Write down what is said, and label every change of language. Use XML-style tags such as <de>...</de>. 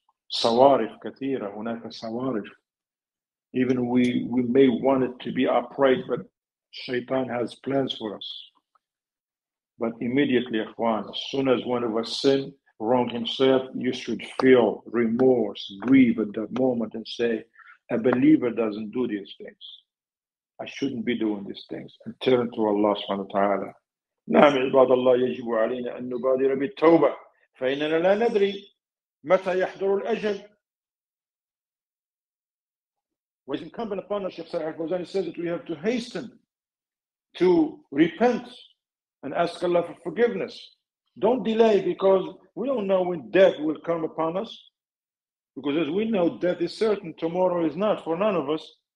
<ar>Sawarif kathira, hunaka sawarif.</ar> <en>Even we may want it to be upright, but Shaitan has plans for us. But immediately, Ikhwan, as soon as one of us sin, wrong himself, you should feel remorse, grieve at that moment and say, a believer doesn't do these things. I shouldn't be doing these things. And turn to Allah subhanahu wa ta'ala.</en> <ar>نعم عباد الله يجب علينا أن نبادر بالتوبة فإننا لا ندري متى يحضر الأجل.</ar> <en>What is incumbent upon us, Sheikh Saleh Al-Fawzan says that we have to hasten to repent and ask Allah for forgiveness. Don't delay, because we don't know when death will come upon us. Because as we know, death is certain, tomorrow is not for none of us.</en>